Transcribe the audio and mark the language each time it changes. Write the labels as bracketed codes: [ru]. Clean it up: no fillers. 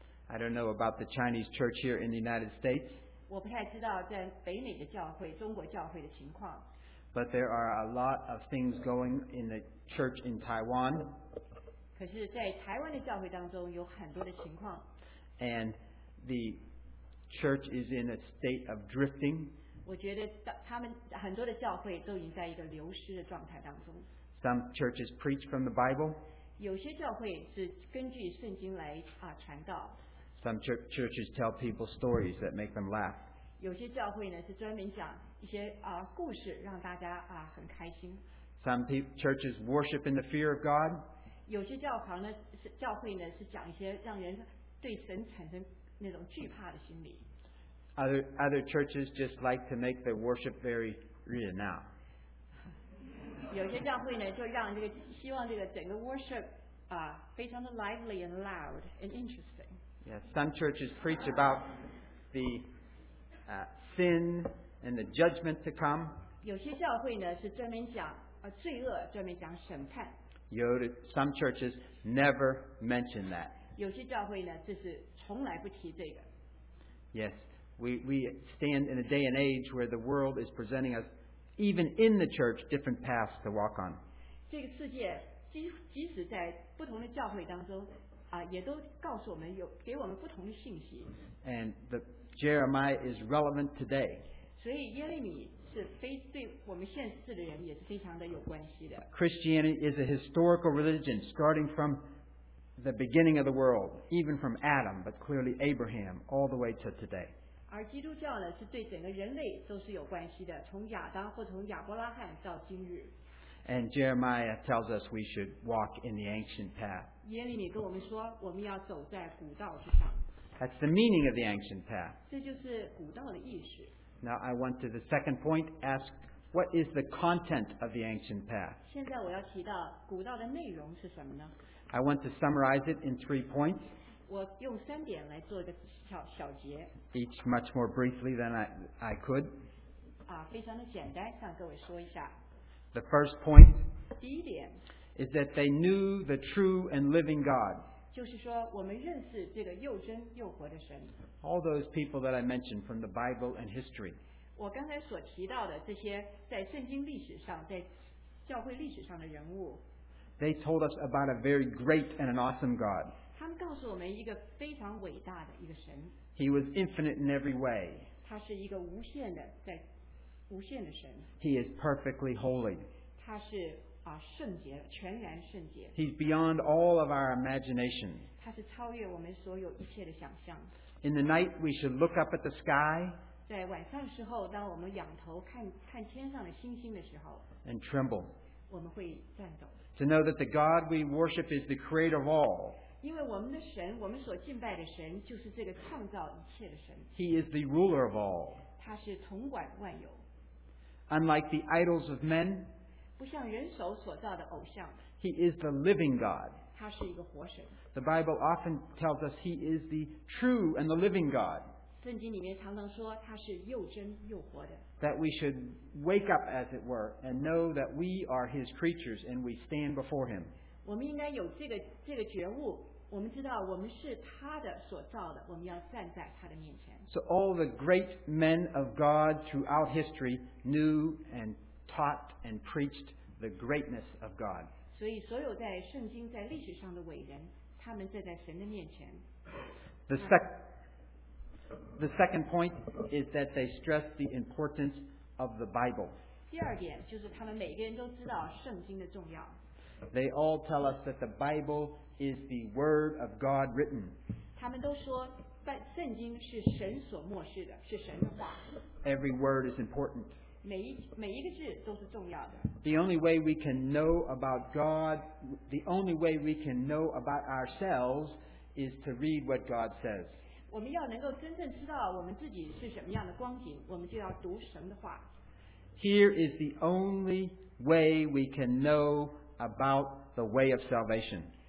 [en] I don't know about the Chinese church here in the United States. [zh] 我不太知道在北美的教会、中国教会的情况。 [en] But there are a lot of things going in the church in Taiwan. [zh] 可是在台湾的教会当中有很多的情况。 [en] And the church is in a state of drifting. [zh] 我觉得他们很多的教会都已经在一个流失的状态当中。 [en] Some churches preach from the Bible. [zh] 有些教会是根据圣经来传道。 [en] Some churches tell people stories that make them laugh. [zh] 有些教会呢是专门讲一些故事让大家很开心。 [en] Some churches worship in the fear of God. [zh] 有些教会呢是讲一些让人对神产生那种惧怕的心理。 [en] Other churches just like to make their worship very real now. [zh] 有些教会呢，就让这个希望这个整个 worship 非常的 [en] lively and loud and interesting. Yes, some churches preach about the sin and the judgment to come. [zh] 有些教会呢是专门讲罪恶，专门讲审判。 [en] Some churches never mention that. [zh] 有些教会呢，这是从来不提这个。 [en] Yes. We stand in a day and age where the world is presenting us, even in the church, different paths to walk on. [zh] 这个世界即使在不同的教会当中，也都告诉我们有给我们不同的信息。 [en] And the Jeremiah is relevant today. [zh] 所以耶利米是非对我们现世的人也是非常的有关系的。 [en] Christianity is a historical religion starting from the beginning of the world, even from Adam, but clearly Abraham, all the way to today. [zh] 而基督教呢，是对整个人类都是有关系的，从亚当或从亚伯拉罕到今日。 [en] And Jeremiah tells us we should walk in the ancient path. [zh] 耶利米跟我们说，我们要走在古道之上。 [en] That's the meaning of the ancient path. [zh] 这就是古道的意思。 [en] Now I want to the second point, ask what is the content of the ancient path? [zh] 现在我要提到古道的内容是什么呢？ [en] I want to summarize it in three points. [zh] 我用三点来做一个小结。 [en] Each much more briefly than I could. [zh] 非常的简单，向各位说一下。 [en] The first point. [zh] 第一点。 [en] Is that they knew the true and living God. [zh] 就是说，我们认识这个又真又活的神。 [en] All those people that I mentioned from the Bible and history. [zh] 我刚才所提到的这些在圣经历史上、在教会历史上的人物。 [en] They told us about a very great and an awesome God. [zh] 他们告诉我们一个非常伟大的一个神。 [en] He was infinite in every way. [zh] 他是一个无限的，在无限的神。 [en] He is perfectly holy. [zh] 他是圣洁，全然圣洁。 [en] He's beyond all of our imagination. [zh] 他是超越我们所有一切的想象。 [en] In the night, we should look up at the sky. [zh] 在晚上时候，当我们仰头看天上的星星的时候 [en] ，and tremble. [zh] 我们会颤抖。 [en] To know that the God we worship is the Creator of all. [zh] 因为我们的神，我们所敬拜的神，就是这个创造一切的神。 [en] He is the ruler of all. [zh] 他是统管万有。 [en] Unlike the idols of men, [zh] 不像人手所造的偶像, [en] He is the living God. [zh] 他是一个活神。 [en] The Bible often tells us He is the true and the living God. [zh] 圣经里面常常说他是又真又活的。 [en] That we should wake up, as it were, and know that we are His creatures and we stand before Him. [zh] 我们应该有这个觉悟。我们知道我们是他的所造的, [en] so all the great men of God throughout history knew and taught and preached the greatness of God. [zh] 所以所有在圣经, 在历史上的伟人, 他们站在神的面前, [en] the second point is that they stressed the importance of the Bible. [zh] 第二点就是他们每个人都知道圣经的重要。 [en] They all tell us that the Bible is the Word of God written. [zh] 他们都说, 圣经是神所默示的, 是神的话。 [en] Every word is important. [zh] 每一个字都是重要的。 [en] The only way we can know about God, the only way we can know about ourselves is to read what God says. [zh] 我们要能够真正知道我们自己是什么样的光景, 我们就要读神的话。 [en] Here is the only way we can know about the way of salvation.